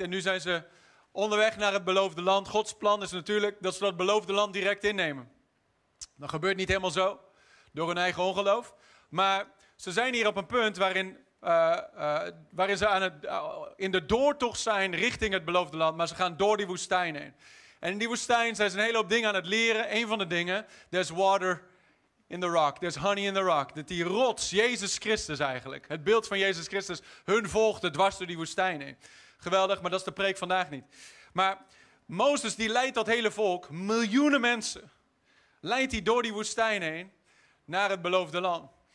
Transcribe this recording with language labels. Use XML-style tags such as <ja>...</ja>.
<nl>En nu zijn ze onderweg naar het beloofde land. Gods plan is natuurlijk dat ze dat beloofde land direct innemen. Dat gebeurt niet helemaal zo door hun eigen ongeloof. Maar ze zijn hier op een punt waarin ze in de doortocht zijn richting het beloofde land, maar ze gaan door die woestijn heen. En in die woestijn zijn ze een hele hoop dingen aan het leren. Een van de dingen,</nl> <en>there's water in the rock, there's honey in the rock.</en> <nl>Dat die rots, Jezus Christus eigenlijk, het beeld van Jezus Christus, hun volgde dwars door die woestijn heen. Geweldig, maar dat is de preek vandaag niet. Maar Mozes die leidt dat hele volk, miljoenen mensen, leidt hij door die woestijn heen naar het beloofde land.</nl>